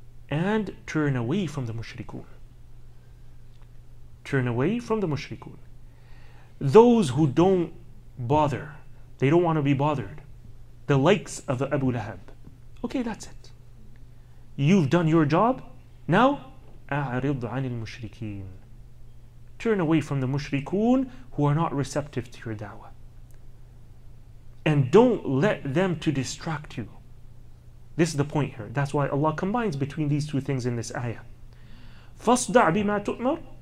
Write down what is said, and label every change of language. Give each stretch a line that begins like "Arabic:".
English: And turn away from the mushrikun. Turn away from the mushrikun. Those who don't bother, they don't want to be bothered, the likes of Abu Lahab, okay, that's it. You've done your job. Now,
Arabic: أعرض عن المشركين.
English: Turn away from the mushrikun who are not receptive to your da'wah. And don't let them to distract you. This is the point here. That's why Allah combines between these two things in this ayah.
Arabic: فَاصْدَعْ بِمَا تُؤْمَرْ.